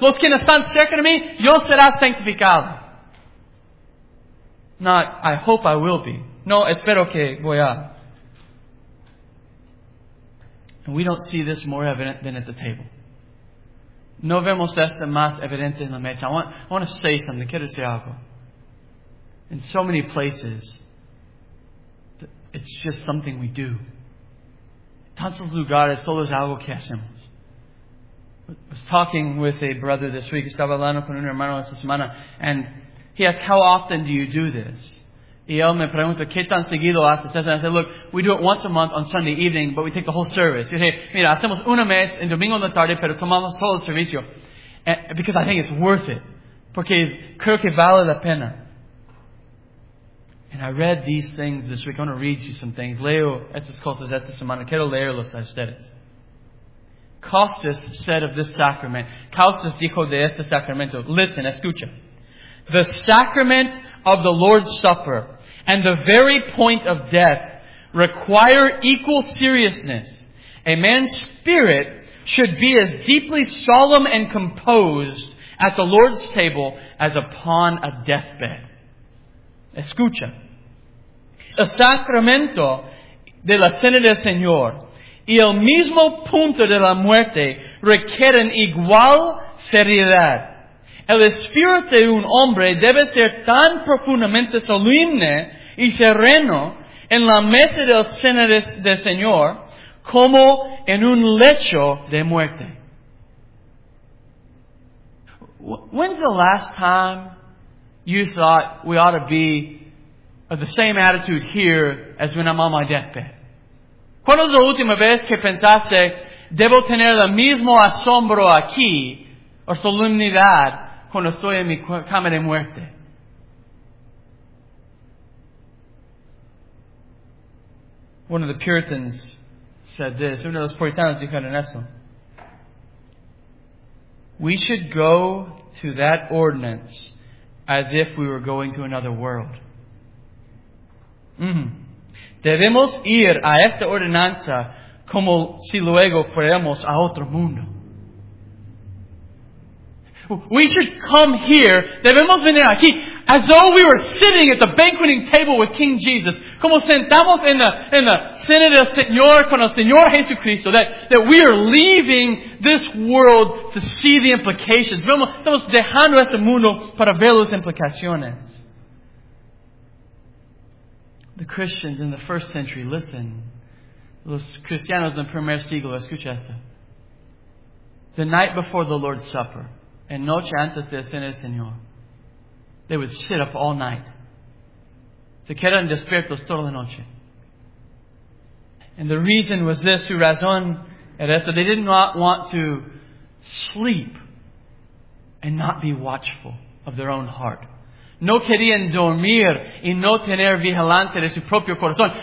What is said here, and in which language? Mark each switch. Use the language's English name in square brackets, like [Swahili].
[Spanish] Los que están cerca de mí, yo será sanctificado. [English] Not, I hope I will be. [Spanish] No, espero que voy a. [English] And we don't see this more evident than at the table. [Spanish] No vemos esto más evidente en la mesa. [English] I want to say something. [Spanish] Quiero decir algo. [English] In so many places, it's just something we do. [Spanish] Tantos lugares, solo es algo que hacemos. [English] I was talking with a brother this week. [Spanish] Estaba hablando con un hermano esta semana. [English] And he asked, how often do you do this? [Spanish] Y él me pregunta, ¿qué tan seguido haces? [English] And I said, look, we do it once a month on Sunday evening, but we take the whole service. [Spanish] Y dije, mira, hacemos una mes en domingo en la tarde, pero tomamos todo el servicio. [English] And, because I think it's worth it. [Spanish] Porque creo que vale la pena. [English] And I read these things this week. I want to read you some things. [Spanish] Leo estas cosas esta semana. Quiero leerlos a ustedes. [English] Costas said of this sacrament. [Spanish] Costas dijo de este sacramento. [English] Listen, [Spanish] escucha. [English] The sacrament of the Lord's Supper and the very point of death require equal seriousness. A man's spirit should be as deeply solemn and composed at the Lord's table as upon a deathbed. [Spanish] Escucha. El sacramento de la cena del Señor y el mismo punto de la muerte requieren igual seriedad. El espíritu de un hombre debe ser tan profundamente solemne y sereno en la mesa del cena del Señor como en un lecho de muerte. [English] When's the last time you thought we ought to be of the same attitude here as when I'm on my deathbed? [Spanish] ¿Cuándo es la última vez que pensaste, debo tener el mismo asombro aquí, o solemnidad, cuando estoy en mi cama de muerte? [English] One of the Puritans said this. [Spanish] Uno de los puritanos dijeron eso. [English] We should go to that ordinance as if we were going to another world. [Spanish] Debemos ir a esta ordenanza como si luego fuéramos a otro mundo. [English] We should come here, [Spanish] debemos venir aquí, [English] as though we were sitting at the banqueting table with King Jesus. [Spanish] Como sentamos en la cena del Señor con el Señor Jesucristo. [English] That we are leaving this world to see the implications. [Spanish] Estamos dejando este mundo para ver las implicaciones. [English] The Christians in the first century, listen. [Spanish] Los cristianos en primer siglo, escucha esto. [English] The night before the Lord's Supper, [Spanish] en noche antes de la cena del Señor, [English] they would sit up all night. [Spanish] Se quedan despiertos toda la noche. [English] And the reason was this, [Spanish] su razón era eso. [English] They did not want to sleep and not be watchful of their own heart. [Spanish] No querían dormir y no tener vigilancia de su propio corazón.